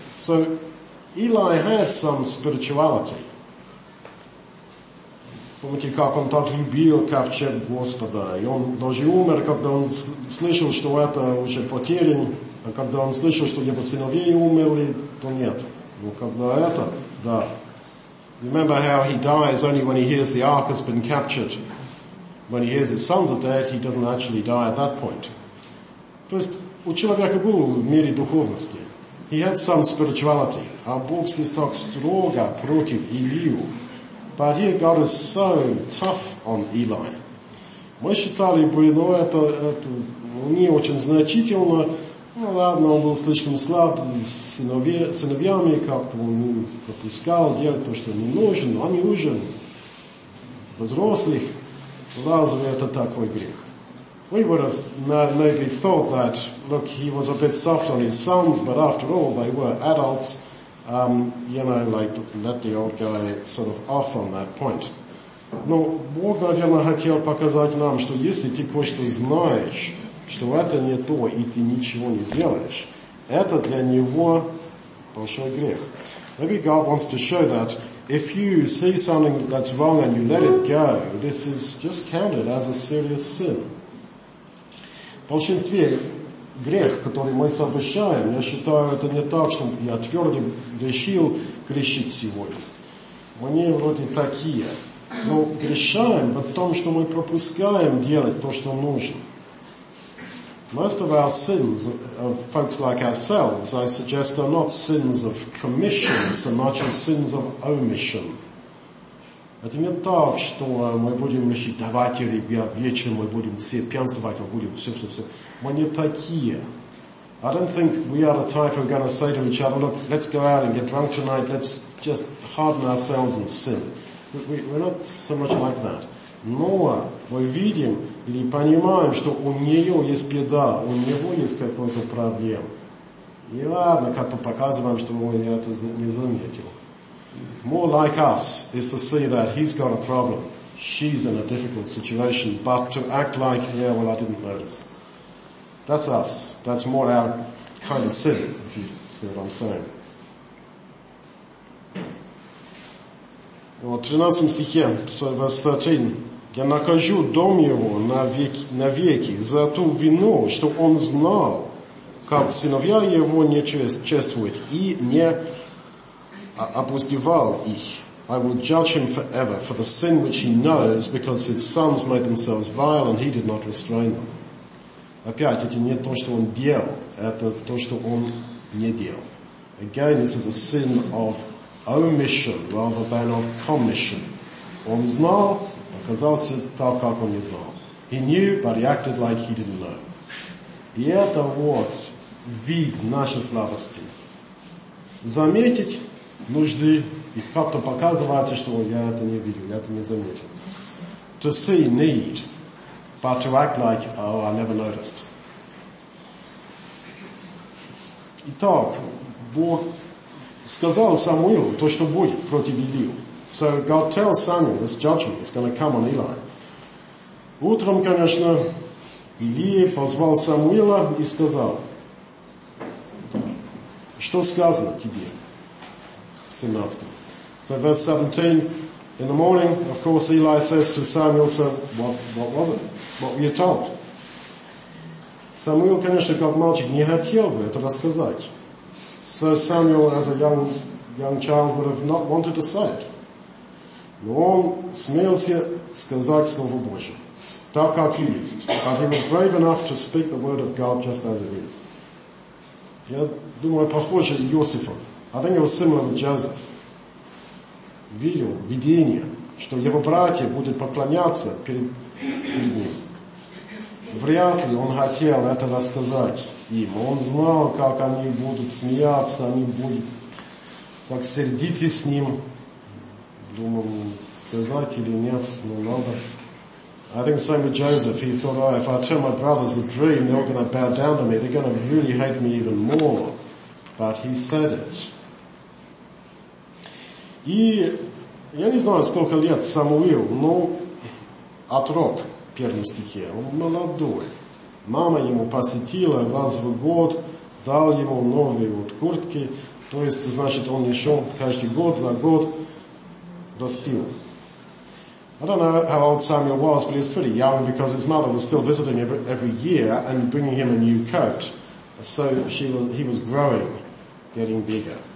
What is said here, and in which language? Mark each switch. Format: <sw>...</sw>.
<en>So Eli had some spirituality.</en> <ru>Помните, как он так любил ковчег Господа, и он даже умер, когда он слышал, что это уже потерян, а когда он слышал, что его сыновей умерли, то нет. Но когда это, да.</ru> <en>Remember how he dies only when he hears the ark has been captured. When he hears his sons are dead, he doesn't actually die at that point.</en> <ru>То есть у человека был в мире духовности.</ru> <en>He had some spirituality.</en> <ru>А Бог здесь так строго против Илию.</ru> <en>But here God is so tough on Eli.</en> <ru>Мы считали бы, ну, это не очень значительно. Ну, ладно, он был слишком слаб сыновьями, как-то он пропускал делать то, что не нужен. Они уже взрослых. Разве это такой грех?</ru> <en>We would have maybe thought that, look, he was a bit soft on his sons, but after all, they were adults. You know, like, let the old guy sort of off on that point.</en> <ru>Но Бог, наверное, хотел показать нам, что если ты кое-что знаешь, что это не то, и ты ничего не делаешь, это для него большой грех.</ru> <en>Maybe God wants to show that if you see something that's wrong and you let it go, this is just counted as a serious sin.</en> <ru>В большинстве грех, который мы совершаем, я считаю, это не так, что я твердо решил грешить сегодня. Мне вроде такие. Но грешаем в том, что мы пропускаем делать то, что нужно.</ru> <en>Most of our sins, of folks like ourselves, I suggest, are not sins of commission, so much as sins of omission.</en> <ru>Это не так, что мы будем решить, давайте, ребят, вечером мы будем все пьянствовать, мы будем все. Мы не такие.</ru> <en>I don't think we are the type who are going to say to each other, look, let's go out and get drunk tonight, let's just harden ourselves and sin. We're not so much like that.</en> <ru>Но мы видим или понимаем, что у нее есть беда, у него есть какой-то проблем. И ладно, как-то показываем, что он это не заметил.</ru> <en>More like us is to see that he's got a problem, she's in a difficult situation, but to act like, yeah, well, I didn't notice. That's us. That's more our kind of sin, if you see what I'm saying.</en> <ru>Вот, 13 стихе,</ru> <en>verse 13.</en> <ru>Я накажу дом его навеки за ту вину, что он знал, как сыновья его не чествуют и не опустевал их.</ru> <en>I will judge him forever for the sin which he knows because his sons made themselves vile and he did not restrain them.</en> <ru>Опять, это не то, что он делал, это то, что он не делал.</ru> <en>Again, this is a sin of omission rather than of commission.</en> <ru>Он знал, оказался так, как он не знал.</ru> <en>He knew, but he acted like he didn't know.</en> <ru>И это вот вид нашей слабости. Заметить нужды и как-то показываться, что я это не видел, я это не заметил.</ru> <en>To see need, but to act like, oh, I never noticed.</en> <ru>Итак, Бог сказал Самуилу то, что будет против Илию.</ru> <en>So God tells Samuel this judgment is going to come on Eli.</en> <ru>Утром, конечно, Илия позвал Самуила и сказал, что сказано тебе? 17.</ru> <en>So verse 17, in the morning, of course, Eli says to Samuel, so what was it? What were you told?</en> <ru>Самуил, конечно, как мальчик, не хотел бы это рассказать.</ru> <en>So Samuel, as a young child, would have not wanted to say it.</en> <ru>Но он смелся сказать Слово Божие, так как и есть.</ru> <en>But he was brave enough to speak the word of God just as it is.</en> <ru>Я думаю, похоже на Иосифа.</ru> <en>I think it was similar to Joseph.</en> <ru>Видел видение, что его братья будут поклоняться перед ним. Вряд ли он хотел это рассказать им. Он знал, как они будут смеяться, они будут так сердиться с ним. Думал, сказать или нет, но надо.</ru> <en>I think same with Joseph. He thought, oh, if I tell my brothers a dream, they're all going to bow down to me. They're going to really hate me even more. But he said it.</en> <ru>И я не знаю, сколько лет Самуил, но отрок. В первом стихе. Он молодой. Мама ему посетила раз в год, дал ему новые вот куртки. То есть, значит, он еще каждый год за год растил.</ru> <en>I don't know how old Samuel was, but he was pretty young because his mother was still visiting every year and bringing him a new coat. So he was growing, getting bigger.</en>